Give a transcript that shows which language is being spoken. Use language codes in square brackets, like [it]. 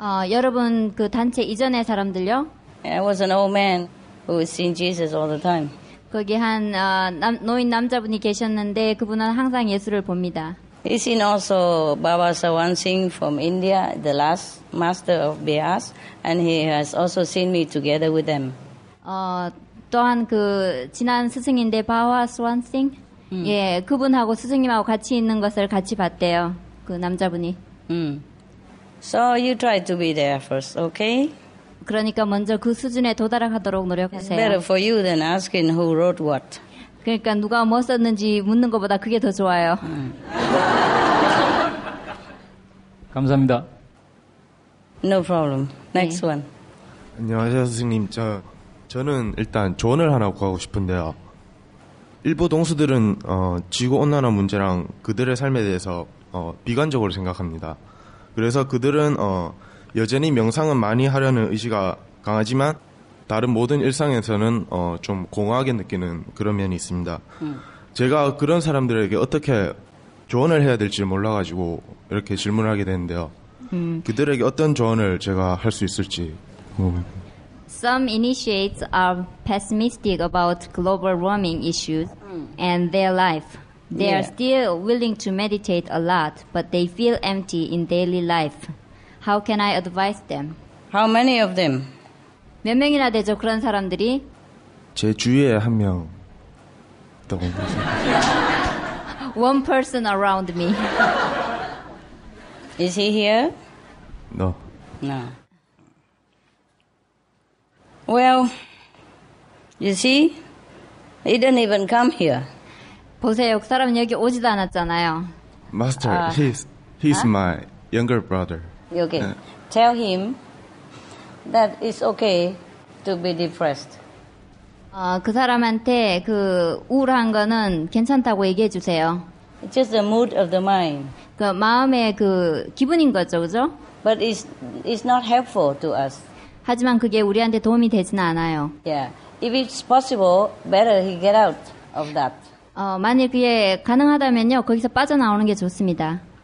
[ko] 여러분 그 단체 이전의 사람들요? [en] Yeah, it was an old man who had seen Jesus all the time. [ko] 거기 한 노인 남자분이 계셨는데 그분은 항상 예수를 봅니다. [en] He seen also Baba Sawan Singh from India, the last master of Bias, and he has also seen me together with them. [ko] 또한 그 지난 스승인데 Baba Sawan Singh, 예, 그분하고 스승님하고 같이 있는 것을 같이 봤대요. 그 남자분이. [en] So you try to be there first, okay? [ko] 그러니까 먼저 그 수준에 도달하도록 노력하세요. [en] It's better for you than asking who wrote what. [ko] 그러니까 누가 뭐 썼는지 묻는 것보다 그게 더 좋아요. 감사합니다. [en] No problem. Next [ko] 네. [en] one. [ko] 안녕하세요, 선생님. 저는 일단 조언을 하나 구하고 싶은데요. 일부 동수들은 지구 온난화 문제랑 그들의 삶에 대해서 비관적으로 생각합니다. 그래서 그들은 여전히 명상은 많이 하려는 의지가 강하지만 다른 모든 일상에서는 좀 공허하게 느끼는 그런 면이 있습니다. 제가 그런 사람들에게 어떻게 조언을 해야 될지 몰라가지고 이렇게 질문을 하게 되는데요. 그들에게 어떤 조언을 제가 할 수 있을지 궁금합니다. [en] Some initiates are pessimistic about global warming issues and their life. They are still willing to meditate a lot, but they feel empty in daily life. How can I advise them? How many of them? [ko] 몇 명이나 되죠, 그런 사람들이? 제 주위에 한 명. 있다고 [en] One person around me. Is he here? No. Well, you see, he didn't even come here. [ko] 보세요, 그 사람은 여기 오지도 않았잖아요. [en] Master, he's my younger brother. Okay, tell him that it's okay to be depressed. [ko] 그 사람한테 그 우울한 거는 괜찮다고 얘기해 주세요. [en] It's just the mood of the mind. [ko] 그 마음의 그 기분인 거죠, 그죠? [en] But it's not helpful to us. [ko] 하지만 그게 우리한테 도움이 되지는 않아요. [en] Yeah, if it's possible, better he get out of that. [ko] 만일 그게 가능하다면요, 거기서 빠져나오는 게 좋습니다.